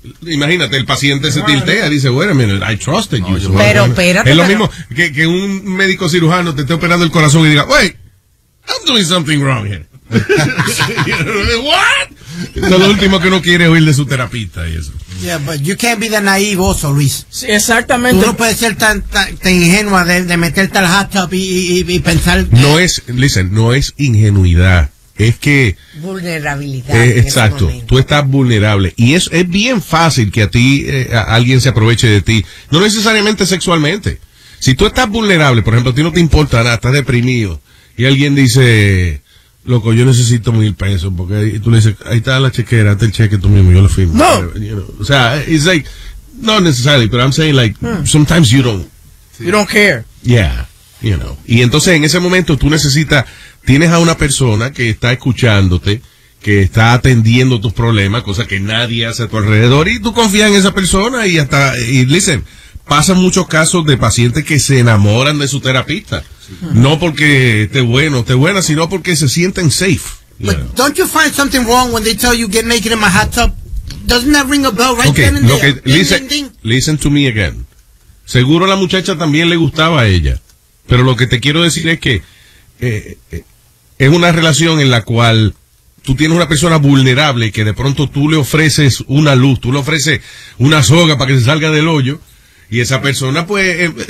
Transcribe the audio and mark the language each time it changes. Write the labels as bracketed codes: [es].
[es] imagínate, el paciente se tiltea y dice, bueno, mira, [en] I trusted you. [es] Pero, espérate. Es lo mismo que un médico cirujano te esté operando el corazón y diga, [en] wait, I'm doing something wrong here. What? [es] Eso es lo último que uno quiere oír de su terapista y eso. [en] Yeah, but you can't be that naive also, Luis. [es] Sí, exactamente. Tú no puedes ser tan ingenua de meterte al hot tub y pensar. No es, listen, no es ingenuidad. Es que vulnerabilidad. Exacto. Tú estás vulnerable y es bien fácil que a ti alguien se aproveche de ti. No necesariamente sexualmente. Si tú estás vulnerable, por ejemplo, a ti no te importa nada, estás deprimido y alguien dice, loco, yo necesito 1,000 pesos, porque ahí tú le dices, ahí está la chequera, hazte el cheque tú mismo, yo lo firmo. No. [en] You know, [es] o sea, [en] it's like, not necessarily, but I'm saying like, sometimes you don't care. Yeah, you know. [es] Y entonces en ese momento tú necesitas, tienes a una persona que está escuchándote, que está atendiendo tus problemas, cosa que nadie hace a tu alrededor, y tú confías en esa persona y hasta, y listen, pasan muchos casos de pacientes que se enamoran de su terapista. No porque esté bueno, esté buena, sino porque se sienten safe. [en] But don't you find something wrong when they tell you get naked in my hot tub? Doesn't that ring a bell right then and there? Listen to me again. [es] Seguro la muchacha también le gustaba a ella. Pero lo que te quiero decir es que es una relación en la cual tú tienes una persona vulnerable que de pronto tú le ofreces una luz, tú le ofreces una soga para que se salga del hoyo, y esa persona pues...